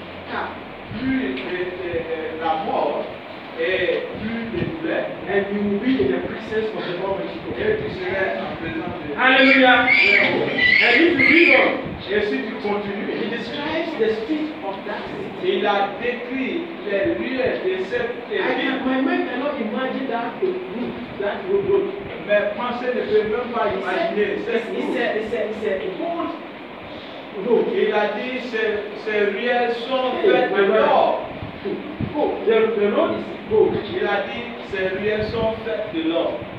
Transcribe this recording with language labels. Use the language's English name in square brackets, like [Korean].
[French] Car plus la mort et plus de douleur, [English] and you will be in the presence of the Lord Jesus. [French] Et tu seras en présence de [English] Alléluia. And if you read on, [French] et si tu continues, [English] he describes the street of that city. [French] Il a décrit les lieux de cette ville. [English] My mind cannot imagine that route, that road. [French] Mais pensez ne peut même pas imaginer cette route. [English] It's a road. [French] Il a dit ces ruelles sont faites de l'or. [English] The road is gold. [French] Il a dit ces ruelles sont faites de l'or.